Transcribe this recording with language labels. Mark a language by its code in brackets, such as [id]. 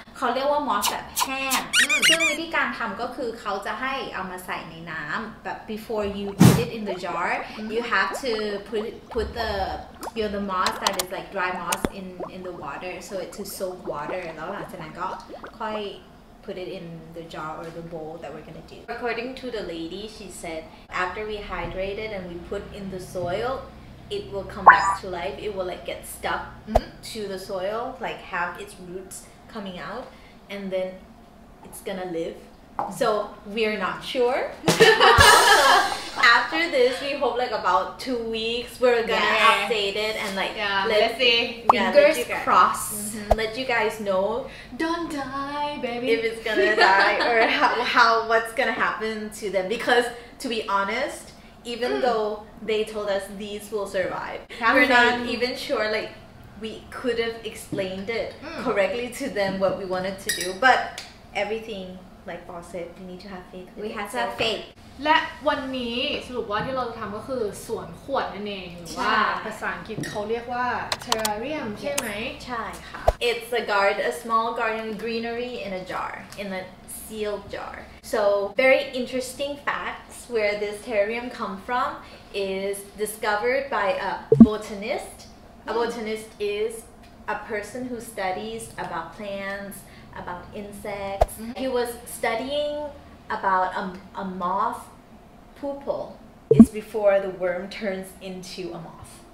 [th] เขาเรียกว่ามอสแบบแห้งซึ่งวิธีการทำก็คือเขาจะให้เอามาใส่ในน้ำแบบ [en] before you put it in the jar you have to put the you know the moss that is like dry moss in the water so it to soak water [th] แล้วหลังจากนั้นก็ค่อย [en] put it in the jar or the bowl that we're gonna do according to the lady she said after we hydrated and we put in the soilit will come back to life it will like get stuck to the soil like have its roots coming out and then it's gonna live so we're not sure after this we hope like about 2 weeks we're gonna update it and like let's see, fingers crossed, let you guys know don't die baby if it's gonna die or how what's gonna happen to them because to be honesteven though they told us these will survive we're not even sure like we could have explained it correctly to them what we wanted to do but everything like boss said we need to have faith we have to have faith [th] และวันนี้สรุปว่าที่เราจะทำก็คือสวนขวดนั่นเองหรือว่าภาษาอังกฤษเขาเรียกว่า terrarium ใช่ไหม ใช่ค่ะ [en] it's a garden a small garden greenery in a jar in a sealed jar so very interesting factwhere this terrarium come from is discovered by a botanist a botanist is a person who studies about plants about insects he was studying about a moth pupal is before the worm turns into a moth